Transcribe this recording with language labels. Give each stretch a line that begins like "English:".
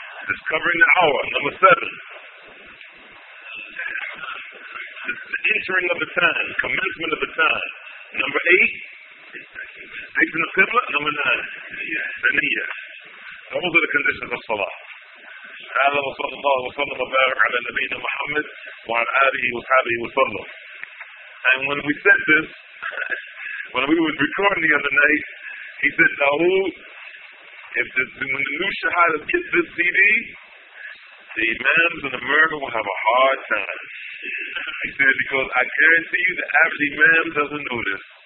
English: Discovering the hour. Number seven. The entering of the time. Commencement of the time. Number eight. Facing the qibla. Number nine. The niyyah. Those are the conditions of salah.
Arabic: تعالى وصلى الله وسلم وبارك على نبينا محمد وعلى آله وصحبه وسلم.
English: And when we said this, when we were recording the other night, he said, Dawood, if this, when the new Shahada gets this CD, the imams in America will have a hard time. He said, because I guarantee you the average imam doesn't know this.